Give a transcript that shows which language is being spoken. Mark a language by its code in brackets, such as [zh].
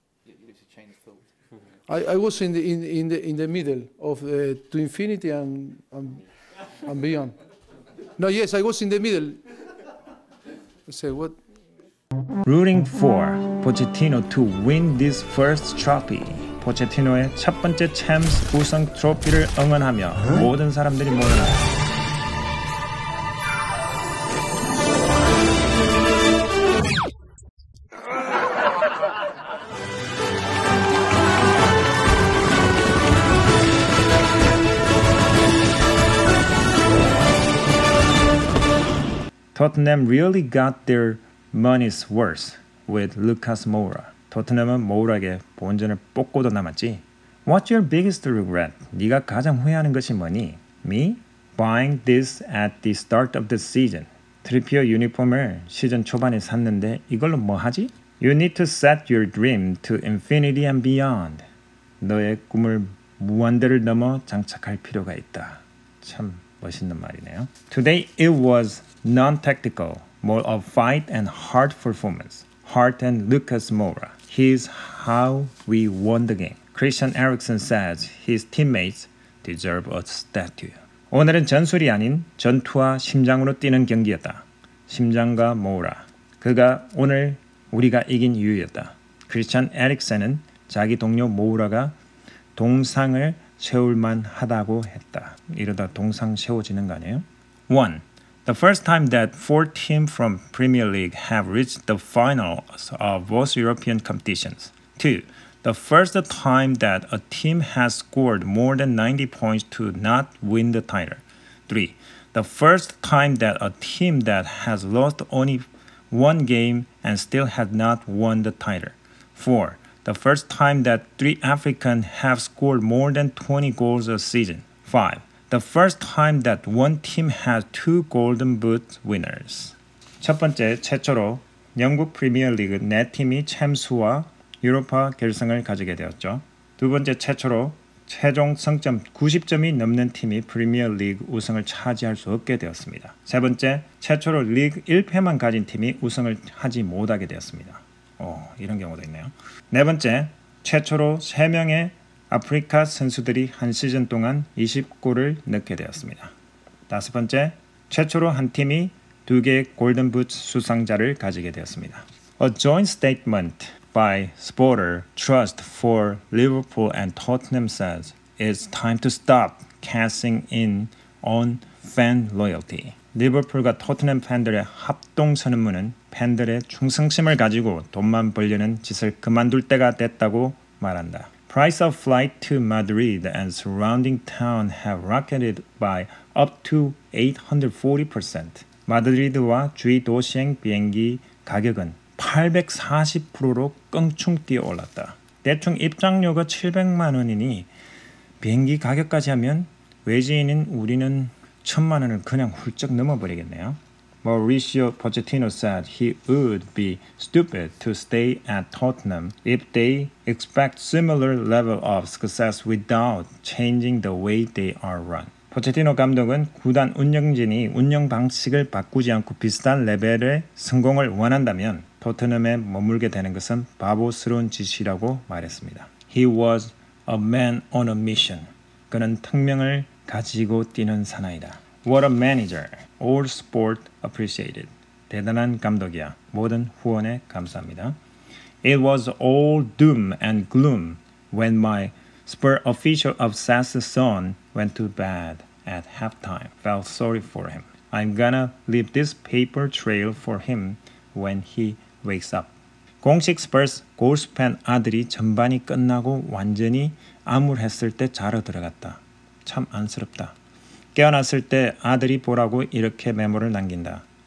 [en] You lose a chain of thought. I was in the middle of to infinity and beyond. No. Yes, I was in the middle. I say what? Rooting for Pochettino to win this first trophy. [ko] 포체티노의 첫 번째 챔스 우승 트로피를 응원하며 모든 사람들이 모여라. [en] 토트넘 really got their money's worth with Lucas Moura. [ko] 토트넘은 모우라에게 본전을 뽑고도 남았지. [en] What's your biggest regret? [ko] 네가 가장 후회하는 것이 뭐니? [en] Me? Buying this at the start of the season. [ko] 트리피어 유니폼을 시즌 초반에 샀는데 이걸로 뭐 하지? [en] You need to set your dream to infinity and beyond. [ko] 너의 꿈을 무한대를 넘어 장착할 필요가 있다. 참 멋있는 말이네요. [en] Today it was non-tactical, more of fight and hard performance. Hart and Lucas Moura. He's how we won the game. Christian Eriksen says his teammates deserve a statue. [ko] 오늘은 전술이 아닌 전투와 심장으로 뛰는 경기였다. 심장과 모으라. 그가 오늘 우리가 이긴 이유였다. 크리스찬 에릭센은 자기 동료 모우라가 동상을 세울만 하다고 했다. 이러다 동상 세워지는 거 아니에요? [en] 1. The first time that four teams from Premier League have reached the finals of both European competitions. 2. The first time that a team has scored more than 90 points to not win the title. 3. The first time that a team that has lost only one game and still has not won the title. 4. The first time that three Africans have scored more than 20 goals a season. 5. The first time that one team has two golden boot winners. [ko] 첫 번째, 최초로 영국 프리미어 리그 네 팀이 챔스와 유로파 결승을 가지게 되었죠. 두 번째, 최초로 최종 승점 90점이 넘는 팀이 프리미어 리그 우승을 차지할 수 없게 되었습니다. 세 번째, 최초로 리그 1패만 가진 팀이 우승을 하지 못하게 되었습니다. 이런 경우도 있네요. 네 번째, 최초로 3명의 아프리카 선수들이 한 시즌 동안 20골을 넣게 되었습니다. 다섯 번째, 최초로 한 팀이 두 개의 골든붓 수상자를 가지게 되었습니다. [en] A joint statement by Sporter Trust for Liverpool and Tottenham says it's time to stop cashing in on fan loyalty. [ko] 리버풀과 토트넘 팬들의 합동 선언문은 팬들의 충성심을 가지고 돈만 벌려는 짓을 그만둘 때가 됐다고 말한다. [en] Price of flight to Madrid and surrounding town have rocketed by up to 840%. [ko] 마드리드와 주위 도시행 비행기 가격은 840%로 껑충 뛰어올랐다. 대충 입장료가 700만 원이니 비행기 가격까지 하면 외지인인 우리는 1,000만 원을 그냥 훌쩍 넘어버리겠네요. [en] Mauricio Pochettino said he would be stupid to stay at Tottenham if they expect similar level of success without changing the way they are run. [ko] Pochettino 감독은 구단 운영진이 운영 방식을 바꾸지 않고 비슷한 레벨의 성공을 원한다면 토트넘에 머물게 되는 것은 바보스러운 짓이라고 말했습니다. [en] He was a man on a mission. [ko] 그는 특명을 가지고 뛰는 사나이다. [en] What a manager. All sport appreciated. [ko] 대단한 감독이야. 모든 후원에 감사합니다. [en] It was all doom and gloom when my Spurs official obsessed son went to bed at halftime. Felt sorry for him. I'm gonna leave this paper trail for him when he wakes up. [ko] 공식 Spurs 골프 팬 아들이 전반이 끝나고 완전히 암울했을 때 자러 들어갔다. 참 안쓰럽다. 깨어났을 때 아들이 보라고 이렇게 메모를 남긴다.